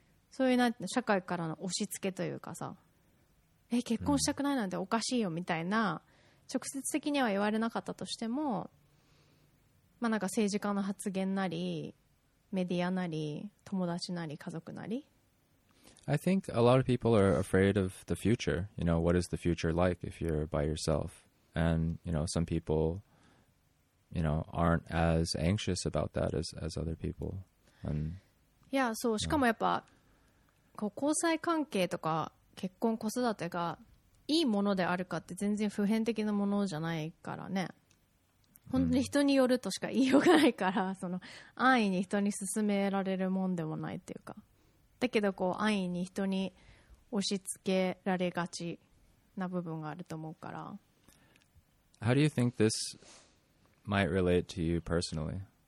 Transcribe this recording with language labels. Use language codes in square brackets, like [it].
[ja] そういうなんて社会からの押し付けというかさ、結婚したくないなんておかしいよみたいな、直接的には言われなかったとしても、まあなんか政治家の発言なりメディアなり友達なり家族なり、 [en] I think a lot of people are afraid of the future. You know, what is the future like if you're by yourself? And you know, some people, you know, aren't as anxious about that as other people. And [ja] yeah, そう、しかもやっぱこう交際関係とか結婚子育てがいいものであるかって全然普遍的なものじゃないからね、本当に人によるとしか言いようがないから、その安易に人に勧められるもんでもないっていうか、だけどこう安易に人に押し付けられがちな部分があると思うから。 [en] How do you think this might relate to you personally?